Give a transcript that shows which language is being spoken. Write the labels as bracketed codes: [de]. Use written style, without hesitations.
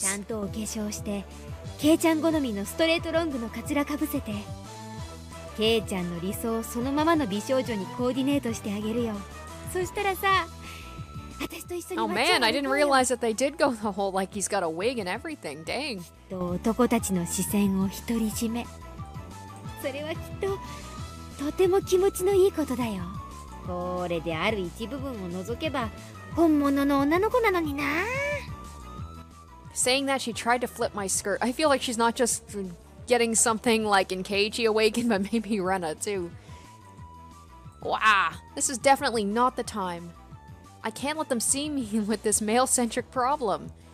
[ja] ちゃんとお化粧して、ケイちゃん好みのストレートロングのカツラかぶせて、ケイちゃんの理想そのままの美少女にコーディネートしてあげるよ。そしたらさ、私と一緒に。 [en] Oh man, I didn't realize that they did go the whole like he's got a wig and everything. Dang. [ja] と男たちの視線を独り占め。それはきっと、とても気持ちのいいことだよ。これである一部分を除けば、本物の女の子なのにな。 [en] Saying that, she tried to flip my skirt. I feel like she's not just getting something like in Keiichi awakened, but maybe Rena too. Wow, this is definitely not the time. I can't let them see me with this male-centric problem.